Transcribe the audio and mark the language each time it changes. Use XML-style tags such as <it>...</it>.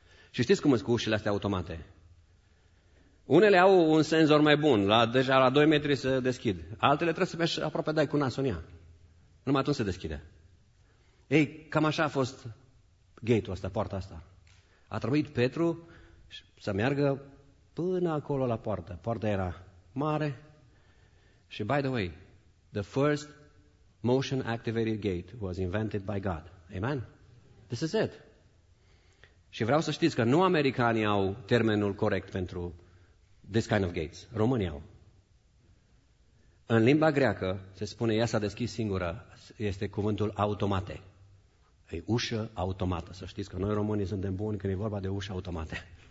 <ro>Și știți cum sunt cu ușile astea automate? Unele au un senzor mai bun, deja la 2 metri se deschid. Altele trebuie să mergi aproape, dai cu nasul în ea. Numai atunci se deschide. Ei, cam așa a fost gate-ul ăsta, poarta asta. A trebuit Petru să meargă până acolo la poartă. Poarta era mare și,</ro> <en>by the way, the first motion-activated gate was invented by God. Amen? This is it.</en> <ro>Și vreau să știți că nu americanii au termenul corect pentru</ro> <en>this kind of gates.</en> <ro>Românii au. În limba greacă se spune, ea s-a deschis singură, este cuvântul automate. E ușă automată. Să știți că noi românii suntem buni când e vorba de ușă automate.</ro>